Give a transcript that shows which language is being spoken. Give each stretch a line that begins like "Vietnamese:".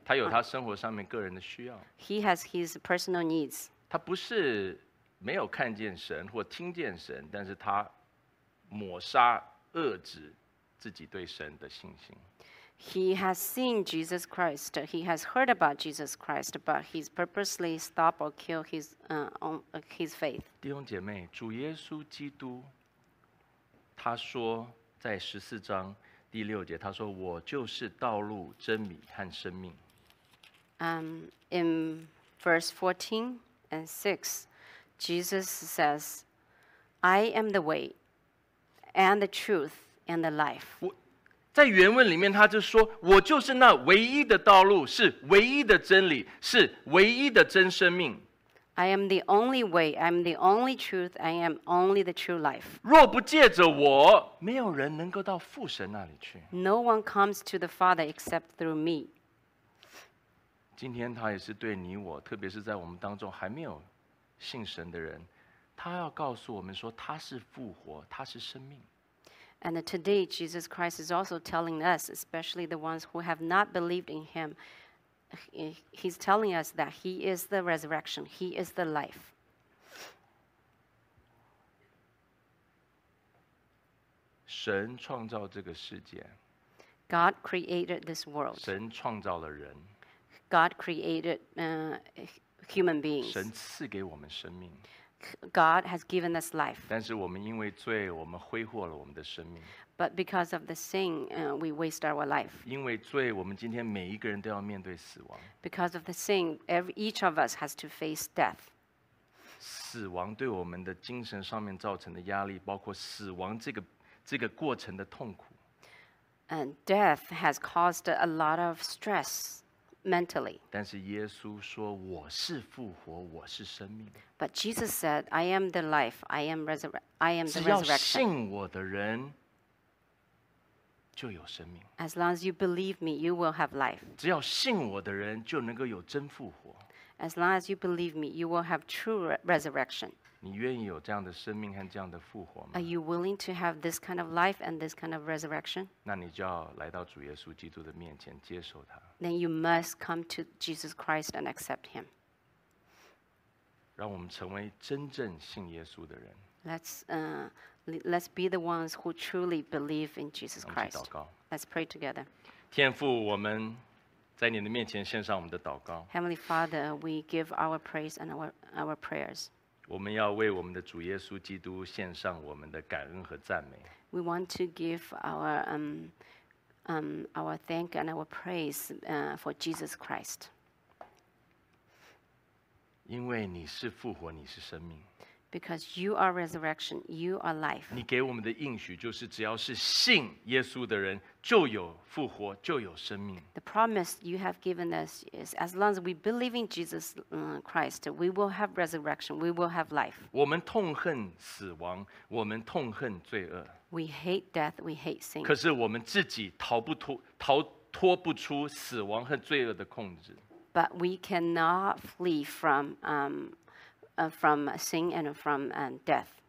Chinese: 他有他生活上面个人的需要。
English: He has his personal needs.
Chinese: 他不是没有看见神或听见神，但是他抹杀遏制自己对神的信心。
English: He has seen Jesus Christ. He has heard about Jesus Christ, but he's purposely stop or kill his his faith.
Chinese: 弟兄姐妹，主耶稣基督，他说在十四章第六节，他说：“我就是道路、真理和生命。”
English: In verse 14 and 6, Jesus says, "I am the way, and the truth." And the life.
Chinese: 在原文里面他就说我就是那唯一的道路，是唯一的真理，是唯一的真生命。
English: I am the only way, I am the only truth, I am only the true life.
Chinese: 若不借着我，没有人能够到父神那里去。
English: No one comes to the Father except through me.
Chinese: 今天他也是对你我，特别是在我们当中还没有信神的人，他要告诉我们说他是复活，他是生命。
English: And today, Jesus Christ is also telling us, especially the ones who have not believed in Him, He's telling us that He is the resurrection, He is the life.
Chinese: 神创造这个世界。
English: God created this world.
Chinese: 神创造了人。
English: God created human beings.
Chinese: 神赐给我们生命。
English: God has given us life.
Chinese: 但是我们因为罪，我们挥霍了我们的生命。
English: But because of the sin, we waste our life.
Chinese: 因为罪，我们今天每一个人都要面对死亡。
English: Because of the sin, each of us has to face death.
Chinese: 死亡对我们的精神上面造成的压力，包括死亡这个过程的痛苦。
English: And death has caused a lot of stress. Mentally.
Chinese: 但是耶稣说我是复活，我是生命。
English: But Jesus said, I am the life, I am the resurrection.
Chinese: 只要信我的人就有生命。
English: As long as you believe me, you will have life.
Chinese: 只要信我的人就能够有真复活。
English: As long as you believe me, you will have true resurrection.
Chinese: 你愿意有这样的生命和这样的复活吗？
English: Are you willing to have this kind of life and this kind of resurrection?
Chinese: 那你就要来到主耶稣基督的面前接受他。
English: Then you must come to Jesus Christ and accept Him.
Chinese: 让我们成为真正信耶稣的人。
English: Let's be the ones who truly believe in Jesus Christ. Let's pray together.
Chinese: 天父，我们在你的面前献上我们的祷告。
English: Heavenly Father, we give our praise and our prayers.
Chinese: 我们要为我们的主耶稣基督献上我们的感恩和赞美。
English: We want to give our thank and our praise for Jesus Christ.
Chinese: 因为你是复活，你是生命。
English: Because you are resurrection, you are life.
Chinese: 你给我们的应许就是只要是信耶稣的人就有复活，就有生命。
English: The promise you have given us is as long as we believe in Jesus Christ, we will have resurrection, we will have life.
Chinese: 我们痛恨死亡，我们痛恨罪恶。
English: We hate death, we hate sin.
Chinese: 可是我们自己逃脱不出死亡和罪恶的控制。
English: But we cannot flee from sin and from death.